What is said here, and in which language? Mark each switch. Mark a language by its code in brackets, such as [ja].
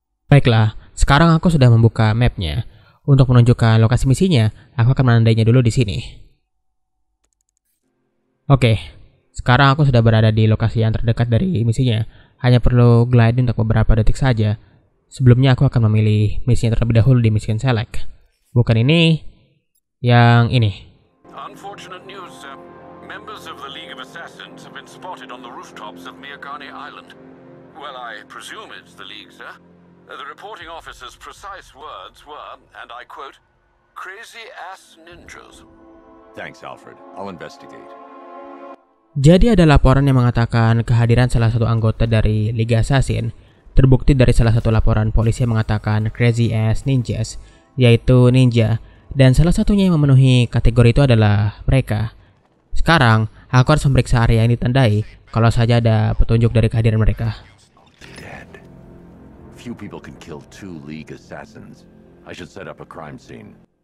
[id] Baiklah, sekarang aku sudah membuka mapnya. Untuk menunjukkan lokasi misinya, aku akan menandainya dulu di sini. Oke, sekarang aku sudah berada di lokasi yang terdekat dari misinya. Hanya perlu gliding untuk beberapa detik saja. Sebelumnya aku akan memilih misinya terlebih dahulu di mission select. Bukan ini, yang ini. [en] Unfortunate news, sir. Members of the League of Assassins have been spotted on the rooftops of Miyagani Island. Well, I presume it's the League, sir. The reporting officer's precise words were, and I quote, crazy ass ninjas. Thanks, Alfred. I'll investigate. [id] Jadi ada laporan yang mengatakan kehadiran salah satu anggota dari Liga Assassin, terbukti dari salah satu laporan polisi yang mengatakan [en] crazy ass ninjas, [id] yaitu ninja, dan salah satunya yang memenuhi kategori itu adalah mereka. Sekarang, aku harus memeriksa area yang ditandai, kalau saja ada petunjuk dari kehadiran mereka. [en] Few people can kill two League assassins. I should set up a crime scene.